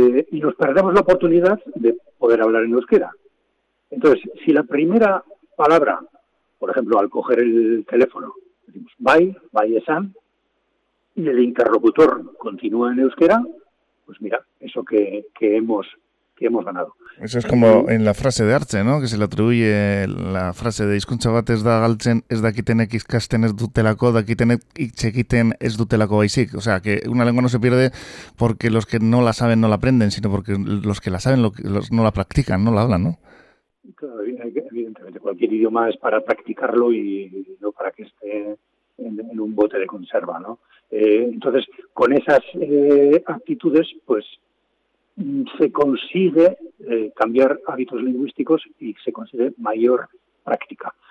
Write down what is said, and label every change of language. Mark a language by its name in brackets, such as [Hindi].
[Spanish] Y nos perdemos la oportunidad de poder hablar en euskera. Entonces, si la primera palabra, por ejemplo, al coger el teléfono, decimos bai esan, y el interlocutor continúa en euskera, pues mira, eso que hemos ganado. Eso es como en la frase de Arte, ¿no? Que se le atribuye la frase de [Basque] hizkuntza bat ez da galtzen, ez dakitenek ikasten ez dutelako, dakitenek hitz egiten ez dutelako baizik. [Spanish] O sea, que una lengua no se pierde porque los que no la saben no la aprenden, sino porque los que la saben no la practican, no la hablan, ¿no? Claro, evidentemente cualquier idioma es para practicarlo y no para que esté en un bote de conserva, ¿no? Entonces, con esas actitudes, pues se consigue cambiar hábitos lingüísticos y se consigue mayor práctica.